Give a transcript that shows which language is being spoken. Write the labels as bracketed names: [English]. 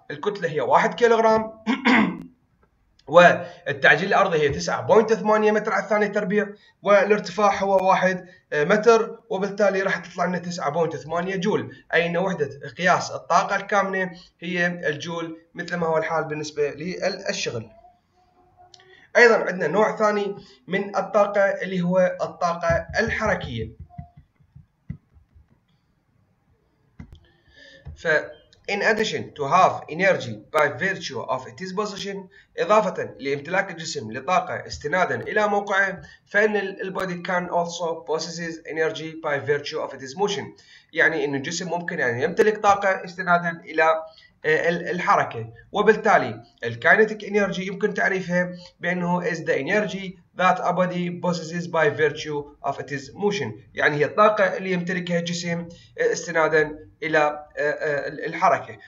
[Arabic] الكتلة هي 1 كيلوغرام، والتعجيل الأرضي هي 9.8 متر على الثانية تربيع، والارتفاع هو 1 متر، وبالتالي راح تطلع لنا 9.8 جول، أي أن وحدة قياس الطاقة الكامنة هي الجول، مثل ما هو الحال بالنسبة للشغل. أيضا عندنا نوع ثاني من الطاقة اللي هو الطاقة الحركية. [English] ف In addition to have energy by virtue of its position، [Arabic] إضافة لامتلاك الجسم لطاقة استنادا إلى موقعه، فإن البودي [English] can also possesses energy by virtue of its motion. [Arabic] يعني إن الجسم ممكن أن يمتلك طاقة استنادا إلى الحركة، وبالتالي الكينيتيك انرجي يمكن تعريفها بأنه [English] is the energy that a body possesses by virtue of its motion، [Arabic] يعني هي الطاقة اللي يمتلكها الجسم استنادا إلى الحركة.